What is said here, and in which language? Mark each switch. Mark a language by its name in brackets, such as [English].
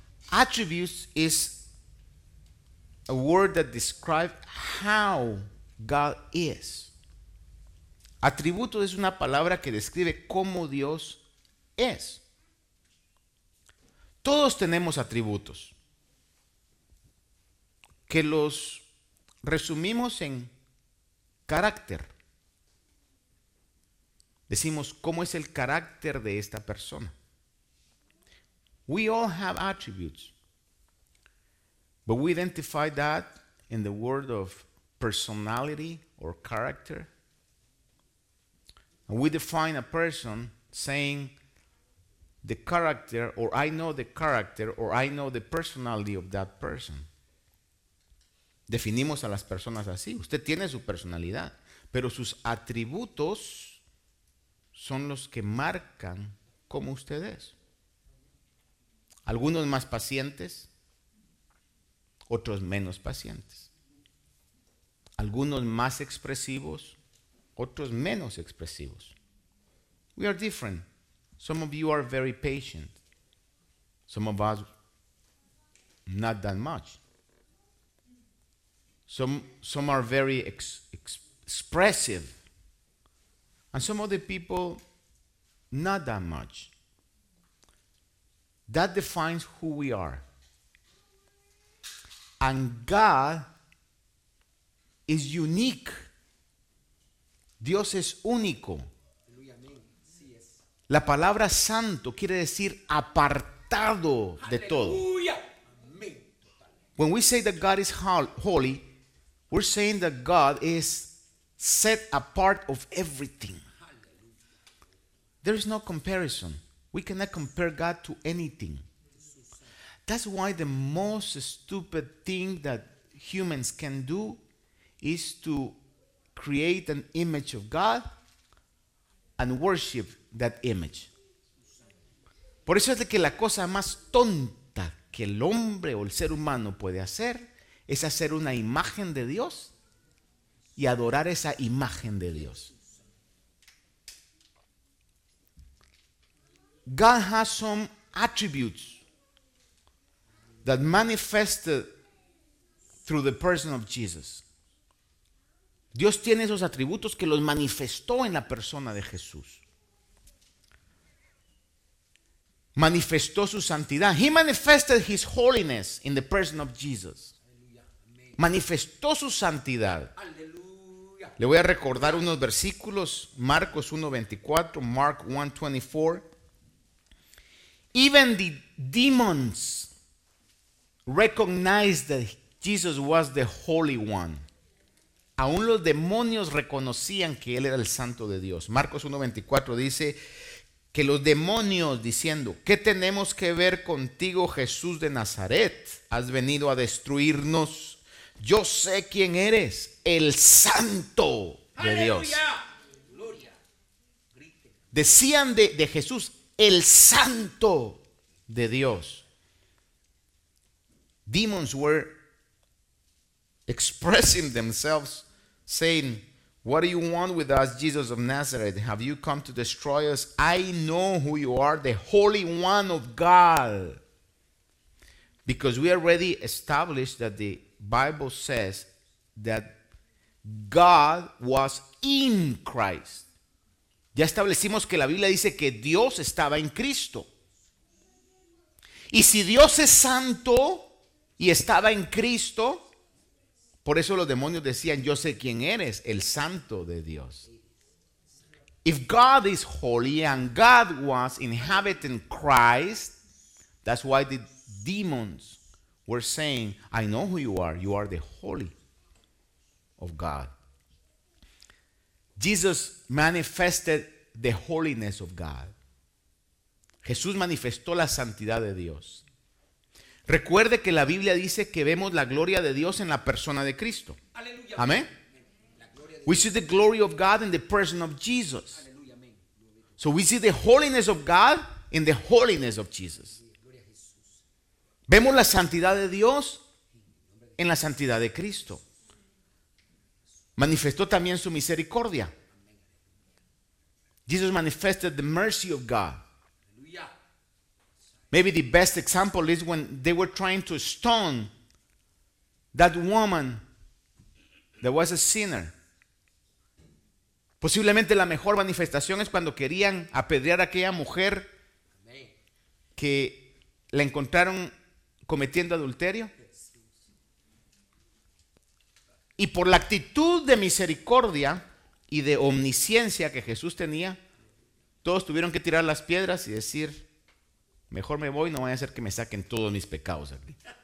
[English] Attributes is a word that describes how God is. [Spanish] Atributo es una palabra que describe cómo Dios es. Todos tenemos atributos que los resumimos en carácter. Decimos cómo es el carácter de esta persona. [English] We all have attributes, but we identify that in the word of personality or character. And we define a person saying the character, or I know the character, or I know the personality of that person. [Spanish] Definimos a las personas así. Usted tiene su personalidad, pero sus atributos son los que marcan cómo usted es. Algunos más pacientes, otros menos pacientes. Algunos más expresivos, otros menos expresivos. [English] We are different. Some of you are very patient. Some of us, not that much. Some are very expressive. And some of the people, not that much. That defines who we are. And God is unique. [Spanish] Dios es único. La palabra santo quiere decir apartado de todo. [English] When we say that God is holy, we're saying that God is set apart of everything. There is no comparison. We cannot compare God to anything. That's why the most stupid thing that humans can do is to create an image of God and worship that image. [Spanish] Por eso es de que la cosa más tonta que el hombre o el ser humano puede hacer es hacer una imagen de Dios y adorar esa imagen de Dios. [English] God has some attributes that manifested through the person of Jesus. [Spanish] Dios tiene esos atributos que los manifestó en la persona de Jesús. Manifestó su santidad. [English] He manifested his holiness in the person of Jesus. [Spanish] Manifestó su santidad. Le voy a recordar unos versículos. [English] Marcos 1:24, Mark 1:24. Even the demons recognized that Jesus was the Holy One. [Spanish] Aún los demonios reconocían que Él era el Santo de Dios. Marcos 1:24 dice que los demonios diciendo: ¿qué tenemos que ver contigo, Jesús de Nazaret? ¿Has venido a destruirnos? Yo sé quién eres, el Santo de Dios. ¡Aleluya! Decían de Jesús: el Santo de Dios. [English] Demons were expressing themselves, saying, what do you want with us, Jesus of Nazareth? Have you come to destroy us? I know who you are, the Holy One of God. Because we already established that the Bible says that God was in Christ. [Spanish] Ya establecimos que la Biblia dice que Dios estaba en Cristo. Y si Dios es santo y estaba en Cristo, por eso los demonios decían: yo sé quién eres, el Santo de Dios. [English] If God is holy and God was inhabiting Christ, that's why the demons were saying, I know who you are the Holy of God. Jesus manifested the holiness of God. [Spanish] Jesús manifestó la santidad de Dios. Recuerde que la Biblia dice que vemos la gloria de Dios en la persona de Cristo. Aleluya. Amén. [English] We see the glory of God in the person of Jesus. [Spanish] Aleluya. [English] So we see the holiness of God in the holiness of Jesus. [Spanish] Gloria a Jesús. Vemos la santidad de Dios en la santidad de Cristo. Manifestó también su misericordia. [English] Jesus manifested the mercy of God. Maybe the best example is when they were trying to stone that woman that was a sinner. [Spanish] Posiblemente la mejor manifestación es cuando querían apedrear a aquella mujer que la encontraron cometiendo adulterio. Y por la actitud de misericordia y de omnisciencia que Jesús tenía, todos tuvieron que tirar las piedras y decir: mejor me voy, no vaya a ser que me saquen todos mis pecados aquí.